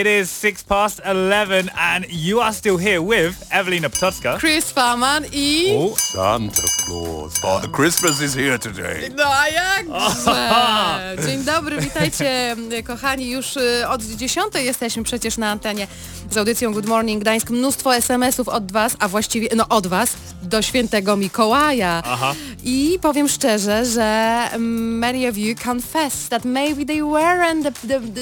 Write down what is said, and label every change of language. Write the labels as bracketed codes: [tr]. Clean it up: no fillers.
[en] It is 11:06 and you are still here with Evelina Potocka. Chris Farman E. Oh, Santa Claus. Father Christmas is here today. [pl] No, a jakże? Dzień dobry, witajcie, kochani. Już od 10:00 jesteśmy przecież na antenie z audycją Good Morning Gdańsk. Mnóstwo SMS-ów od Was, a właściwie, no od Was, do świętego Mikołaja. Aha. I powiem szczerze, że [en] many of you confess that maybe they weren't the